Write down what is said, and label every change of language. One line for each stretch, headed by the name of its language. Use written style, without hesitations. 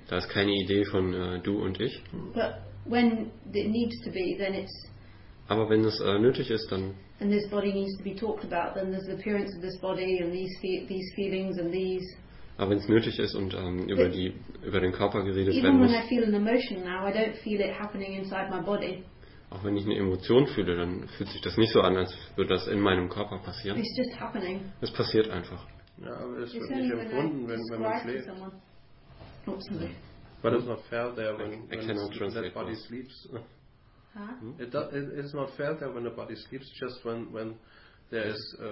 German: Da ist keine Idee von du und ich.
English: But when it needs to be, then it's.
German: Aber wenn es nötig ist, dann.
English: And this body needs to be talked about, then there's the appearance of this body and these feelings and these.
German: Aber wenn es nötig ist und über den Körper geredet
English: even when
German: muss.
English: Even when I feel an emotion now, I don't feel it happening inside my body.
German: Auch wenn ich eine Emotion fühle, dann fühlt sich das nicht so an, als würde das in meinem Körper passieren.
English: It's just happening.
German: Es passiert einfach. Ja, aber es wird nicht empfunden, wenn man schläft.
English: But it's not felt there when that body those sleeps. Huh? It is not felt there when the body sleeps, just when there is.